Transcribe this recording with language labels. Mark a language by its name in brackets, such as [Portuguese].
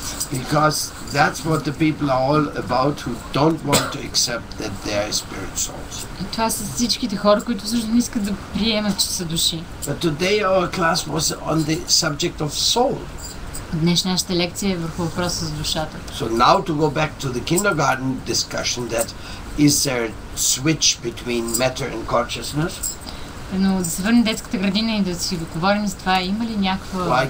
[English] Because that's what the people are all about who don't want to accept that they are spirit souls. [Bulgarian] Това са всичките хора, които всъщност не искат да приемат, че са души. [English] But today our class was on the subject of soul. [Bulgarian] Днешната лекция е върху въпроса с душата. [English] So now to go back to the kindergarten discussion that is there a switch between matter and consciousness? [Bulgarian] Но да се върнем в детската градина и да си договорим с това, има ли някаква